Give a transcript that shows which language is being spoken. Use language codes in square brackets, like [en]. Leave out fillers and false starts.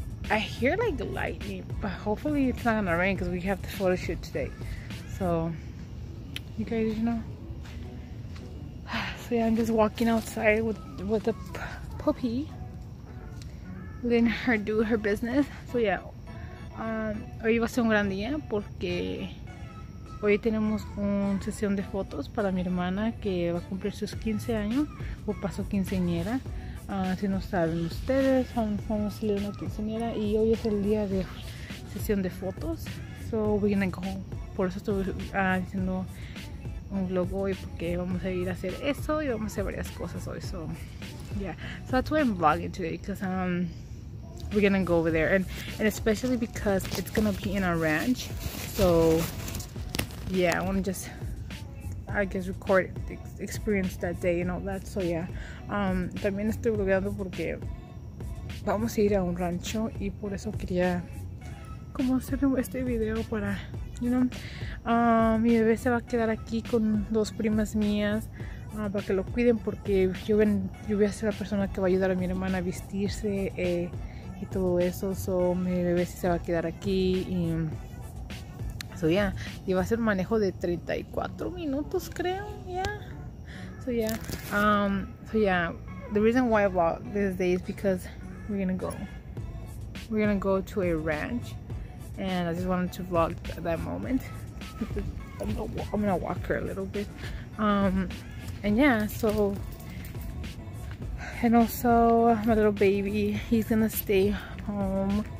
[en] I hear like lightning, but hopefully it's not gonna rain because we have the photo shoot today. So, you guys, you know. So yeah, I'm just walking outside with the puppy, letting her do her business. [es] So yeah, hoy va a ser un gran día porque hoy tenemos una sesión de fotos para mi hermana que va a cumplir sus 15 años o pasó quinceañera. Si no saben ustedes, vamos a leer una quinceañera y hoy es el día de sesión de fotos. [en] So we're gonna go home. [es] Por eso estoy haciendo un vlog hoy porque vamos a ir a hacer eso y vamos a hacer varias cosas hoy. [en] So yeah, so that's why I'm vlogging today because we're gonna go over there and especially because it's gonna be in our ranch. So yeah, I wanna just I guess record the experience that day and all that. [es] So yeah, también estoy vlogueando porque vamos a ir a un rancho y por eso quería como hacer este video para, you know, mi bebé se va a quedar aquí con dos primas mías para que lo cuiden porque yo voy a ser la persona que va a ayudar a mi hermana a vestirse y todo eso. So mi bebé se va a quedar aquí y so yeah, y va a ser un manejo de 34 minutos creo, yeah. [en] So yeah, the reason why I vlog this day is because we're gonna go to a ranch and I just wanted to vlog that moment. I'm gonna walk her a little bit, and yeah, so, and also my little baby, he's gonna stay home.